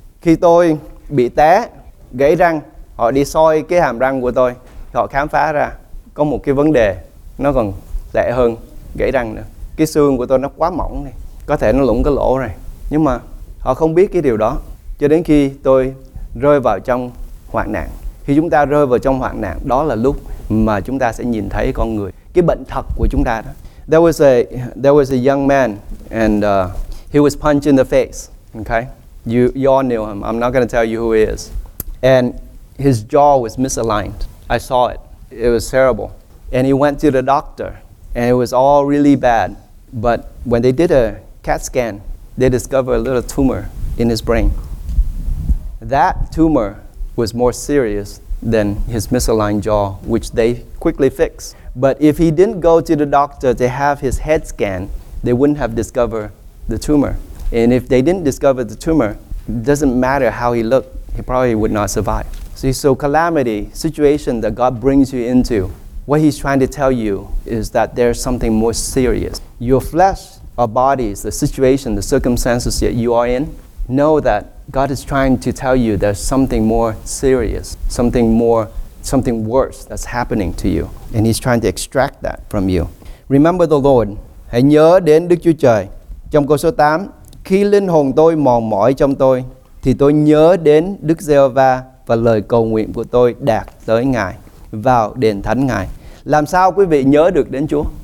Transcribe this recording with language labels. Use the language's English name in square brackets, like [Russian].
[Vietnamese] Khi tôi bị té, gãy răng, họ đi soi cái hàm răng của tôi, họ khám phá ra có một cái vấn đề nó còn tệ hơn gãy răng nữa. Cái xương của tôi nó quá mỏng này, có thể nó lủng cái lỗ này. Nhưng mà họ không biết cái điều đó cho đến khi tôi rơi vào trong hoạn nạn. Khi chúng ta rơi vào trong hoạn nạn, đó là lúc mà chúng ta sẽ nhìn thấy con người, cái bệnh thật của chúng ta đó. [English] There was a young man and he was punched in the face. Okay, you all knew him. I'm not going to tell you who he is. And his jaw was misaligned. I saw it. It was terrible. And he went to the doctor, and it was all really bad. But when they did a CAT scan, they discovered a little tumor in his brain. That tumor was more serious than his misaligned jaw, which they quickly fixed. But if he didn't go to the doctor to have his head scan, they wouldn't have discovered the tumor. And if they didn't discover the tumor, it doesn't matter how he looked, he probably would not survive. See, so calamity, situation that God brings you into, what he's trying to tell you is that there's something more serious. Your flesh or bodies, the situation, the circumstances that you are in, know that God is trying to tell you there's something more serious, something worse that's happening to you. And he's trying to extract that from you. Remember the Lord. [Vietnamese] Hãy nhớ đến Đức Chúa Trời. Trong câu số 8, khi linh hồn tôi mòn mỏi trong tôi, thì tôi nhớ đến Đức Giê-hô-va và lời cầu nguyện của tôi đạt tới Ngài, vào đền thánh Ngài. Làm sao quý vị nhớ được đến Chúa?